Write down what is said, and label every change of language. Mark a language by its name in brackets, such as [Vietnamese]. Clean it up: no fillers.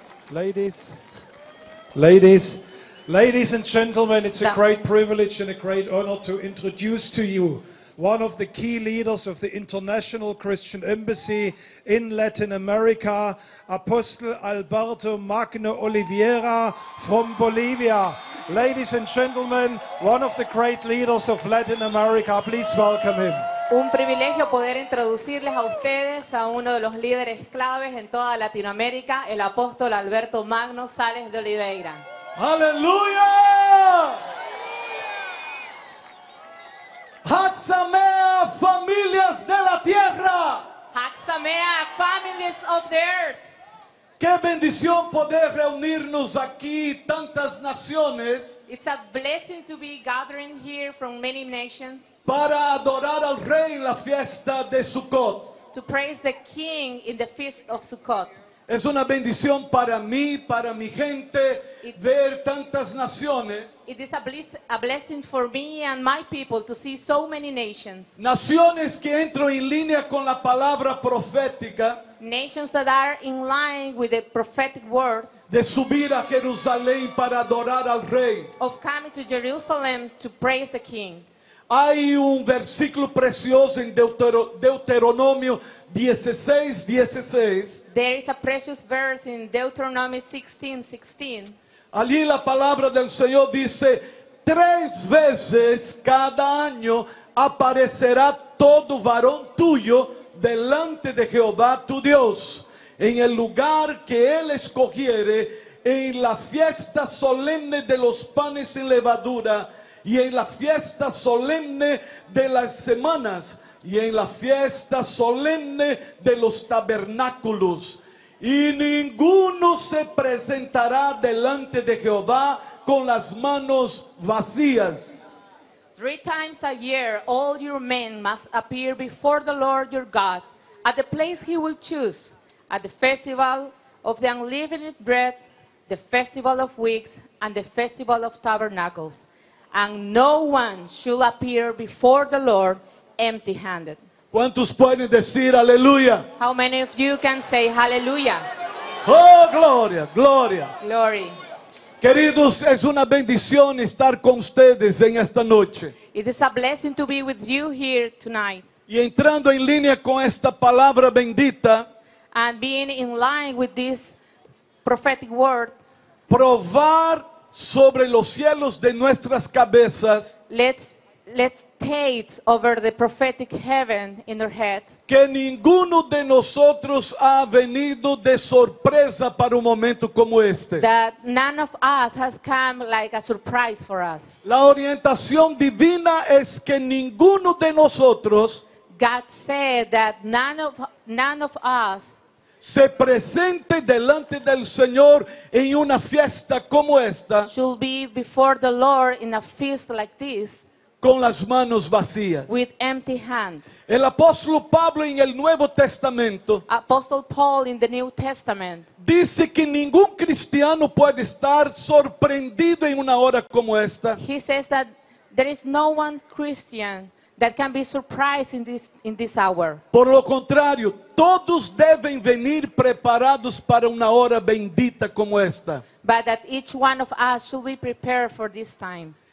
[English] Ladies and gentlemen, it's a great privilege and a great honor to introduce to you one of the key leaders of the International Christian Embassy in Latin America, Apostle Alberto Magno Oliveira from Bolivia. Ladies and gentlemen, one of the great leaders of Latin America, please welcome him. [Spanish] Un privilegio poder introducirles a ustedes a uno de los líderes claves en toda Latinoamérica, el apóstol Alberto Magno Sales de Oliveira. ¡Aleluya! ¡Haxamea, familias de la tierra! [English] ¡Haxamea, families of the earth! [Spanish] ¡Qué bendición poder reunirnos aquí tantas naciones! [English] It's a blessing to be gathering here from many nations. [Spanish] Para adorar al rey en la fiesta de Sukkot. [English] To praise the king in the feast of Sukkot. [Spanish] Es una bendición para mí, para mi gente, ver tantas naciones. [English] It is a blessing for me and my people to see so many nations. [Spanish] Naciones que entro en línea con la palabra profética. [English] Nations that are in line with the prophetic word. [Spanish] De subir a Jerusalén para adorar al rey. [English] Of coming to Jerusalem to praise the king. [Spanish] Hay un versículo precioso en Deuteronomio 16:16. [English] There is a precious verse in Deuteronomy 16:16. [Spanish] Allí la palabra del Señor dice, tres veces cada año aparecerá todo varón tuyo delante de Jehová tu Dios, en el lugar que él escogiere, en la fiesta solemne de los panes sin levadura, y en la fiesta solemne de las semanas, y en la fiesta solemne de los tabernáculos. Y ninguno se presentará delante de Jehová con las manos vacías. [English] Three times a year all your men must appear before the Lord your God, at the place he will choose, at the festival of the unleavened bread, the festival of weeks, and the festival of tabernacles. And no one should appear before the Lord empty-handed. [Spanish] ¿Cuántos pueden decir aleluya? [English] How many of you can say hallelujah? [Spanish] Oh, gloria, gloria. [English] Glory. [Spanish] Queridos, es una bendición estar con ustedes en esta noche. [English] It is a blessing to be with you here tonight. [Spanish] Y entrando en línea con esta palabra bendita. [English] And being in line with this prophetic word. [Spanish] Probar sobre los cielos de nuestras cabezas. [English] Let's state over the prophetic heaven in their heads. [Spanish] Que ninguno de nosotros ha venido de sorpresa para un momento como este. [English] That none of us has come like a surprise for us. [Spanish] La orientación divina es que ninguno de nosotros. [English] God said that none of us [Spanish] se presente delante del Señor en una fiesta como esta [English] should be before the Lord in a feast like this [Spanish] con las manos vacías. [English] With empty hands. [Spanish] El apóstol Pablo en el Nuevo Testamento [English] Apostle Paul in the New Testament [Spanish] dice que ningún cristiano puede estar sorprendido en una hora como esta. [English] He says that there is no one Christian that can be surprised in this hour. [Spanish] Por lo contrario, todos deben venir preparados para una hora bendita como esta. [English] But that each one of us should be prepared for this time.